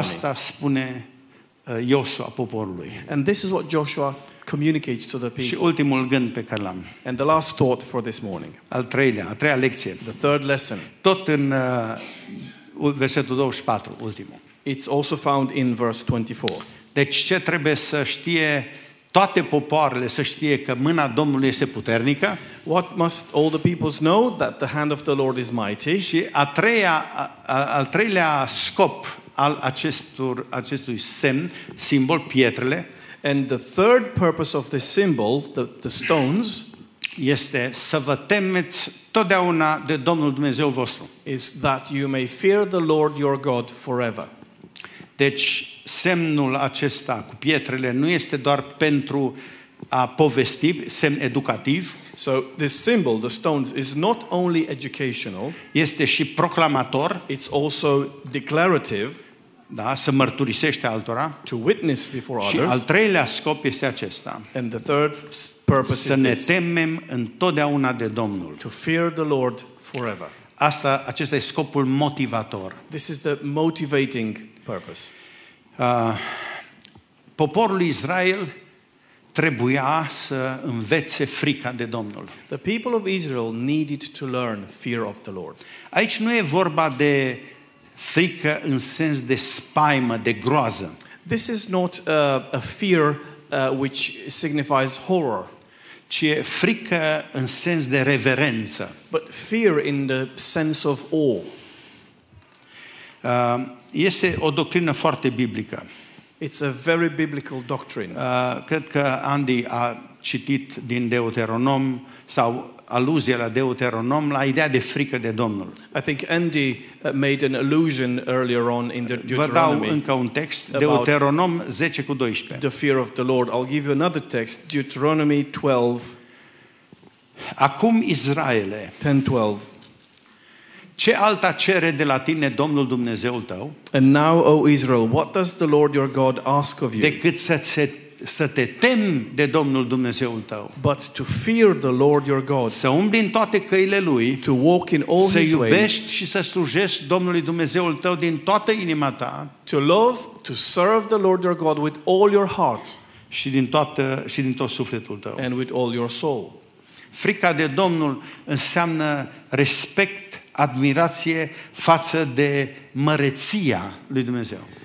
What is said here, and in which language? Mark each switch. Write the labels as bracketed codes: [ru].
[ro] Asta spune Iosua poporului. [en] And this is what Joshua communicates to the people. [ro] Și ultimul gând pe care l-am. [en] And the last thought for this morning. [ro] Al treilea, a treia lecție. [en] The third lesson. [ro] Tot în versetul 24, ultimul. [en] It's also found in verse 24. [ro] Deci ce trebuie să știe toate popoarele, să știe că mâna Domnului este puternică? [en] What must all the peoples know? That the hand of the Lord is mighty. [ro] Și al treilea scop al acestui semn, simbol, pietrele. [en] And the third purpose of this symbol, the stones, [ro] este să vă temeți totdeauna de Domnul Dumnezeu vostru. [en] Is that you may fear the Lord your God forever. [ro] Deci semnul acesta cu pietrele nu este doar pentru a povesti, semn educativ. [en] So this symbol, the stones, is not only educational. [ro] Este și proclamator. [en] It's also declarative. [ro] Da, să mărturisește altora. [en] To witness before [ro] și [en] others. [ro] Și al treilea scop este acesta. [en] And the third purpose is [ro] să ne temem întotdeauna de Domnul. [en] To fear the Lord forever. [ro] Asta, acesta e scopul motivator. [en] This is the motivating purpose. [ro] Poporul Israel trebuia să învețe frica de Domnul. [en] The people of Israel needed to learn fear of the Lord. [ro] Aici nu e vorba de frică în sens de spaimă, de groază. [en] This is not a fear which signifies horror. [ro] Ci e frică în sens de reverență. [en] But fear in the sense of awe. [ro] Este o doctrină foarte biblică. [en] It's a very biblical doctrine. [ro] Cred că Andy a citit din Deuteronom sau aluzia la Deuteronom la ideea de frică de Domnul. [en] I think Andy made an allusion earlier on in the Deuteronomy. [ro] Vă dau încă un text, Deuteronom 10 cu 12. [en] The fear of the Lord. I'll give you another text, Deuteronomy 12. [ro] Acum Israele. [en] 10:12. [ro] Ce alta cere de la tine Domnul Dumnezeul tău? [en] And now, O Israel, what does the Lord your God ask of you? [ro] Decât să te temi de Domnul Dumnezeul tău. [en] But to fear the Lord your God. [ro] Să umbli în toate căile Lui. [en] To walk in all His ways. [ro] Să iubești și să slujești Domnului Dumnezeul tău din toată inima ta. [en] To love, to serve the Lord your God with all your heart. [ro] Și din tot sufletul tău. [en] And with all your soul. [ro] Frica de Domnul înseamnă respect, admirație față de măreția lui Dumnezeu.